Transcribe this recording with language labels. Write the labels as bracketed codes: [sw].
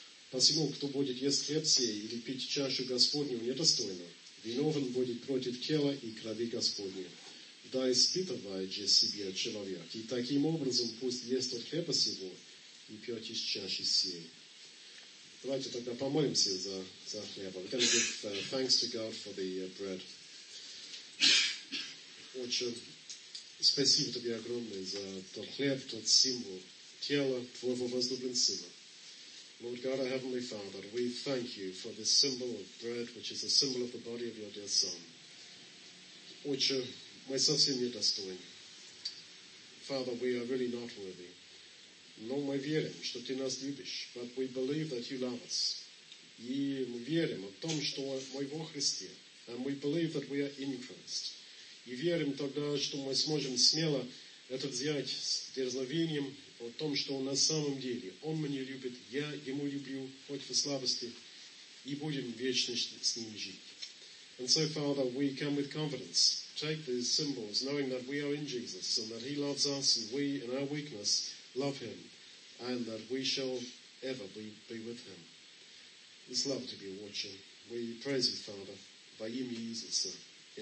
[ru] Посему, кто будет есть хлеб сей или пить чашу Господню недостойно, виновен будет против тела и крови Господней. Да испытывает же себя человек, и таким образом пусть ест от хлеба сего и пьет из чаши сей. Давайте тогда помолимся за хлеб. [en] We're going to give thanks to God for the bread. [ru] Отче, спасибо Тебе огромное за тот хлеб, тот символ тела Твоего возлюбленного Сына. [en] Lord God, our Heavenly Father, we thank You for this symbol of bread, which is a symbol of the body of Your dear Son. [ru] Отче, мы совсем не достойны. [en] Father, we are really not worthy. [ru] Но мы верим, что Ты нас любишь, [en] but we believe that You love us. [ru] И мы верим о том, что мы во Христе, [en] and we believe that we are in Christ. [ru] И верим тогда, что мы сможем смело это взять с дерзновением о том, что на самом деле Он меня любит, я Ему люблю, хоть в слабости, и будем вечно с Ним жить. [en] And so, Father, we come with confidence, take these symbols, knowing that we are in Jesus, and that He loves us, and we, in our weakness, love Him, and that we shall ever be with Him. It's love to be watching. We praise You, Father, by Him Jesus, sir.